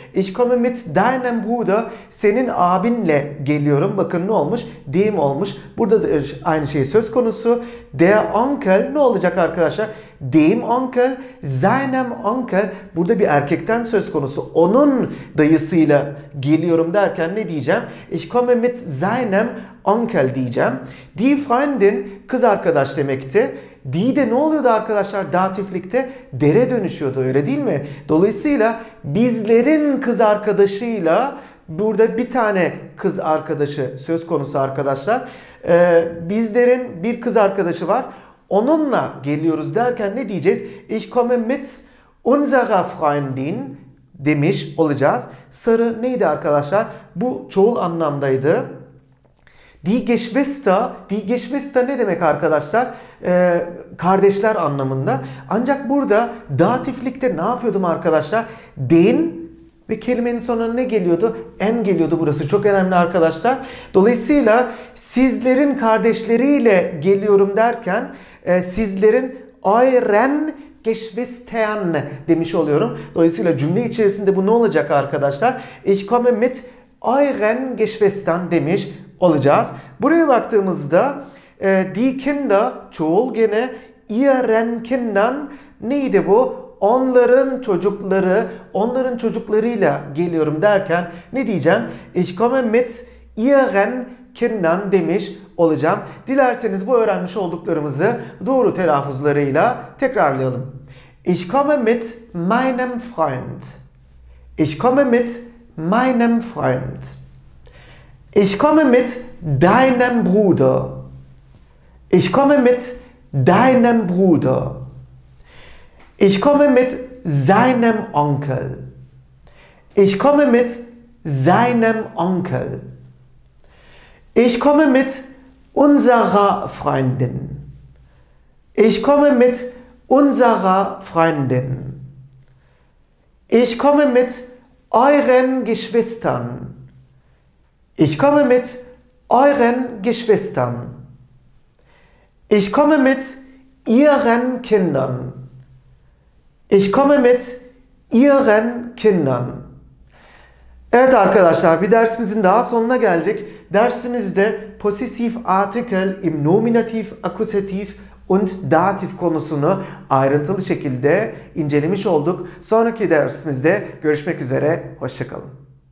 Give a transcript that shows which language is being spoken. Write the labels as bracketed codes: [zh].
[de] Ich komme mit deinem Bruder, [tr] senin abinle geliyorum. Bakın ne olmuş? Dem olmuş. Burada da aynı şey söz konusu. Der Onkel ne olacak arkadaşlar? [de] Dem Onkel, seinem Onkel. [tr] Burada bir erkekten söz konusu. Onun dayısıyla geliyorum derken ne diyeceğim? [de] Ich komme mit seinem Onkel [tr] diyeceğim. Die Freundin kız arkadaş demekti. Die de ne oluyordu arkadaşlar datiflikte? Dere dönüşüyordu, öyle değil mi? Dolayısıyla bizlerin kız arkadaşıyla burada bir tane kız arkadaşı söz konusu arkadaşlar. Bizlerin bir kız arkadaşı var. Onunla geliyoruz derken ne diyeceğiz? [de] Ich komme mit unserer Freundin [tr] demiş olacağız. Sarı neydi arkadaşlar? Bu çoğul anlamdaydı. [de] Die Geschwister, die Geschwister [tr] ne demek arkadaşlar? Kardeşler anlamında. Ancak burada datiflikte ne yapıyordum arkadaşlar? Den ve kelimenin sonuna ne geliyordu? En geliyordu burası. Çok önemli arkadaşlar. Dolayısıyla sizlerin kardeşleriyle geliyorum derken sizlerin [de] euren Geschwistern [tr] demiş oluyorum. Dolayısıyla cümle içerisinde bu ne olacak arkadaşlar? [de] Ich komme mit euren Geschwistern [tr] demiş olacağız. Buraya baktığımızda die Kinder çoğul gene, [de] ihren Kindern [tr] neydi bu? Onların çocukları, onların çocuklarıyla geliyorum derken ne diyeceğim? [de] Ich komme mit ihren Kindern [tr] demiş olacağım. Dilerseniz bu öğrenmiş olduklarımızı doğru telaffuzlarıyla tekrarlayalım. [de] Ich komme mit meinem Freund. Ich komme mit meinem Freund. Ich komme mit deinem Bruder. Ich komme mit deinem Bruder. Ich komme mit seinem Onkel. Ich komme mit seinem Onkel. Ich komme mit unserer Freundin. Ich komme mit unserer Freundin. Ich komme mit euren Geschwistern. Ich komme mit euren Geschwistern. Ich komme mit ihren Kindern. Ich komme mit ihren Kindern. [tr] Evet arkadaşlar, bir dersimizin daha sonuna geldik. Dersimizde possessive article [de] im nominativ, akkusativ und datif [tr] konusunu ayrıntılı şekilde incelemiş olduk. Sonraki dersimizde görüşmek üzere, hoşça kalın.